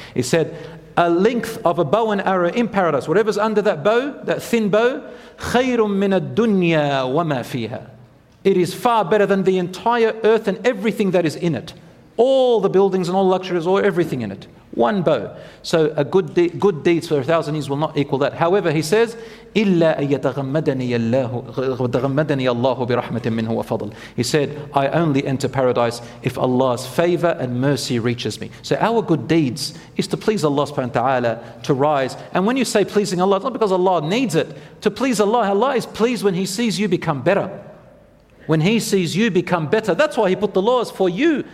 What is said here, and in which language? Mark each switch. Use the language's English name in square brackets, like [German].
[English] He said, a length of a bow and arrow in paradise, whatever's under that bow, that thin bow, [Arabic] خَيْرٌ مِّنَ الدُّنْيَا وَمَا فِيهَا. [English] It is far better than the entire earth and everything that is in it. All the buildings and all luxuries, or everything in it. One bow. So a good deeds for 1,000 years will not equal that. However, he says, [Arabic] إِلَّا أَيَّتَغَمَّدَنِيَ اللَّهُ بِرَحْمَةٍ مِّنْهُ وَفَضْلٍ. [English] He said, I only enter paradise if Allah's favor and mercy reaches me. So our good deeds is to please Allah subhanahu wa ta'ala, to rise. And when you say pleasing Allah, it's not because Allah needs it. To please Allah, Allah is pleased when he sees you become better. When he sees you become better, that's why he put the laws for you.